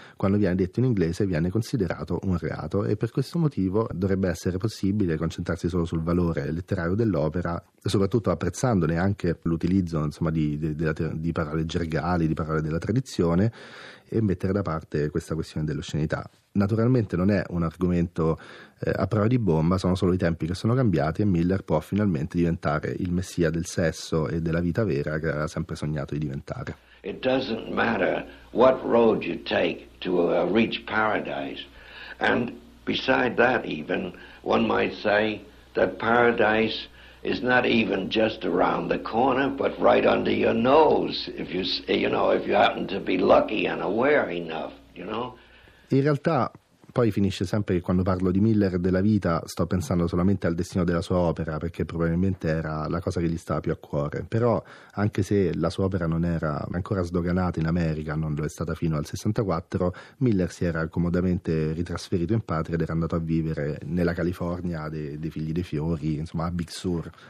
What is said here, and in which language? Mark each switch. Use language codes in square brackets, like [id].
[it] quando viene detto in inglese, viene considerato un reato, e per questo motivo dovrebbe essere possibile concentrarsi solo sul valore letterario dell'opera, soprattutto apprezzandone anche l'utilizzo insomma di parole gergali, di parole della tradizione, e mettere da parte questa questione dell'oscenità. Naturalmente non è un argomento a prova di bomba, sono solo i tempi che sono cambiati e Miller può finalmente diventare il messia del sesso e della vita vera che ha sempre sognato di diventare. [en] It doesn't matter what road you take to reach paradise, and beside that even one might say that paradise is not even just around the corner, but right under your nose, if you happen to be lucky and aware enough, you know? [it] In realtà, poi finisce sempre che quando parlo di Miller e della vita sto pensando solamente al destino della sua opera, perché probabilmente era la cosa che gli stava più a cuore. Però, anche se la sua opera non era ancora sdoganata in America, non lo è stata fino al 64, Miller si era comodamente ritrasferito in patria ed era andato a vivere nella California dei Figli dei Fiori, insomma a Big Sur.